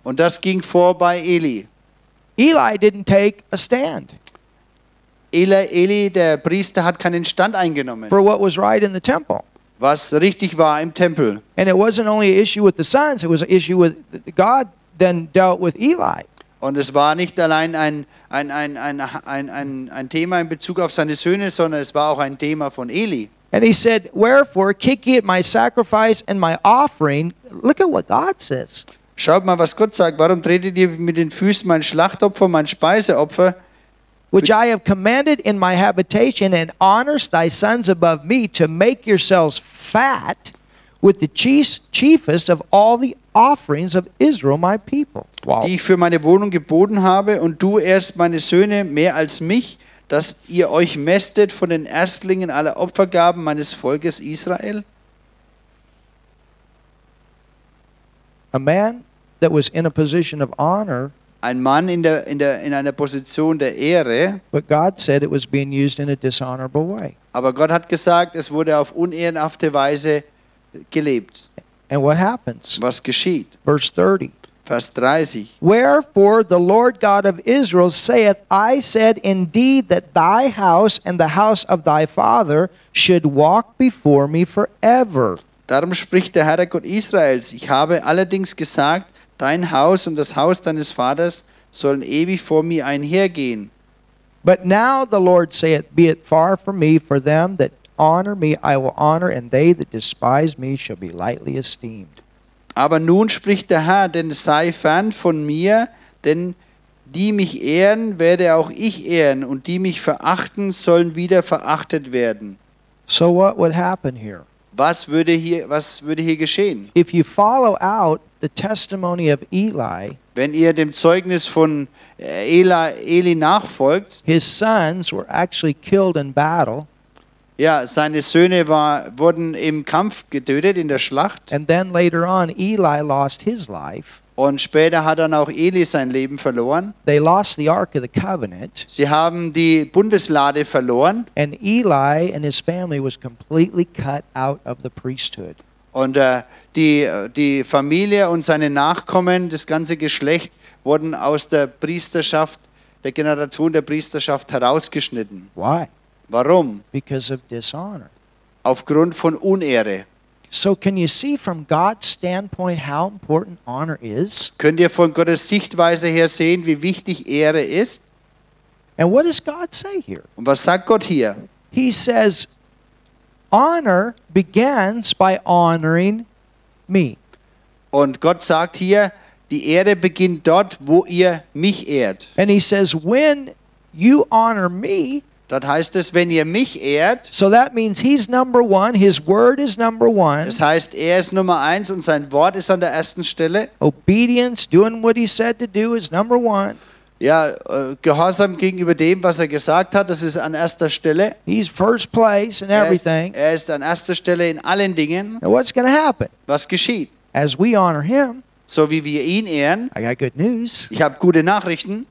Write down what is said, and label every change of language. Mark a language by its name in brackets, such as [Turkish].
[German] Und das ging vor bei Eli. [English] Eli didn't take a stand. [German] Eli, der Priester, hat keinen Stand eingenommen. [English] For what was right in the temple. [German] Was richtig war im Tempel. [English] And it wasn't only an issue with the sons, it was an issue with God then dealt with Eli. [German] Und es war nicht allein ein Thema in Bezug auf seine Söhne, sondern es war auch ein Thema von Eli. [English] And he said, wherefore kick ye at my sacrifice and my offering. Look at what God says. [German] Schaut mal, was Gott sagt. Warum tretet ihr mit den Füßen mein Schlachtopfer, mein Speiseopfer? [English] Which I have commanded in my habitation and honors thy sons above me to make yourselves fat with the chiefest of all the offerings of Israel, my people. Wow. [German] Die ich für meine Wohnung geboten habe und du ehrst meine Söhne mehr als mich, dass ihr euch mästet von den Erstlingen aller Opfergaben meines Volkes Israel. [English] A man that was in a position of honor. [German] Ein Mann in einer Position der Ehre. [English] But God said it was being used in a dishonorable way. [German] Aber Gott hat gesagt, es wurde auf unehrenhafte Weise gelebt. [English] And what happens? [German] Was geschieht? [English] Verse 30. [German] Vers 30. [English] Wherefore the Lord God of Israel saith, I said indeed that thy house and the house of thy father should walk before me forever. [German] Darum spricht der Herr Gott Israels. Ich habe allerdings gesagt, dein Haus und das Haus deines Vaters sollen ewig vor mir einhergehen. [English] But now the Lord saith, be it far from me, for them that honor me I will honor, and they that despise me shall be lightly esteemed. [German] Aber nun spricht der Herr, denn sei fern von mir, denn die mich ehren, werde auch ich ehren, und die mich verachten, sollen wieder verachtet werden. [English] So what would happen here? [German] Was würde hier geschehen? [English] If you follow out the testimony of Eli, [German] wenn ihr dem Zeugnis von Eli nachfolgt, [English] his sons were actually killed in battle. [German] Ja, seine Söhne wurden im Kampf getötet in der Schlacht. [English] And then later on, Eli lost his life. [German] Und später hat dann auch Eli sein Leben verloren. [English] They lost the Ark of the Covenant. [German] Sie haben die Bundeslade verloren. [English] And Eli and his family was completely cut out of the priesthood. [German] Und die Familie und seine Nachkommen, das ganze Geschlecht, wurden aus der Priesterschaft, der Generation der Priesterschaft herausgeschnitten. [English] Why? [German] Warum? [English] Because of dishonor. [German] Aufgrund von Unehre. [English] So can you see from God's standpoint how important honor is? [German] Könnt ihr von Gottes Sichtweise her sehen, wie wichtig Ehre ist? [English] And what does God say here? [German] Und was sagt Gott hier? [English] He says, honor begins by honoring me. [German] Und Gott sagt hier, die Ehre beginnt dort, wo ihr mich ehrt. [English] And he says, when you honor me, [German] das heißt es, wenn ihr mich ehrt, [English] so that means he's number one, his word is number one. [German] Das heißt, ist Nummer eins und sein Wort ist an der ersten Stelle. [English] Obedience, doing what he said to do is number one. [German] Ja, Gehorsam gegenüber dem, was gesagt hat, das ist an erster Stelle. [English] He's first place in everything. [German] Ist an erster Stelle in allen Dingen. [English] Now what's going to happen? [German] Was geschieht? [English] As we honor him, [German] so wie wir ihn ehren, [English] I got good news. [German] Ich habe gute Nachrichten.